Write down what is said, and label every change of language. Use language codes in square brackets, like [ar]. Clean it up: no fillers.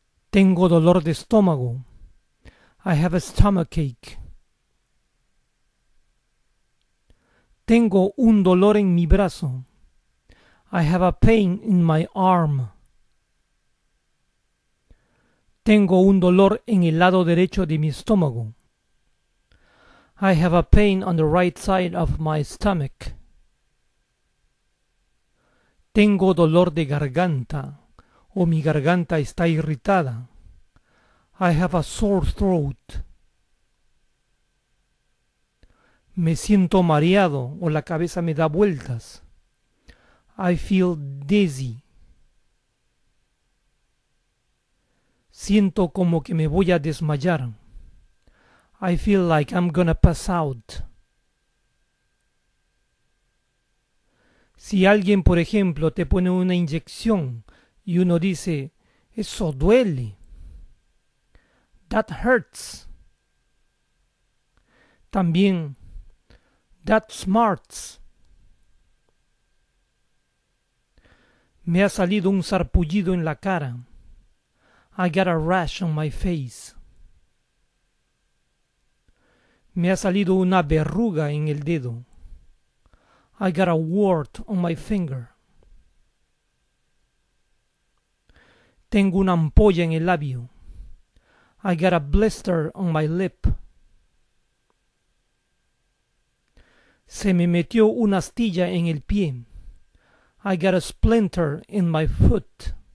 [es] Tengo dolor de estómago. [en] I have a stomachache. [es] Tengo un dolor en mi brazo. [en] I have a pain in my arm. [es] Tengo un dolor en el lado derecho de mi estómago. [en] I have a pain on the right side of my stomach. [es] Tengo dolor de garganta, o mi garganta está irritada. [en] I have a sore throat. [es] Me siento mareado o la cabeza me da vueltas. [en] I feel dizzy. [es] Siento como que me voy a desmayar. [en] I feel like I'm gonna pass out. [es] Si alguien, por ejemplo, te pone una inyección y uno dice, eso duele. [en] That hurts. También, that smarts. [es] Me ha salido un sarpullido en la cara. [en] I got a rash on my face. [es] Me ha salido una verruga en el dedo. [en] I got a wart on my finger. [es] Tengo una ampolla en el labio. [en] I got a blister on my lip. [es] Se me metió una astilla en el pie. [en] I got a splinter in my foot.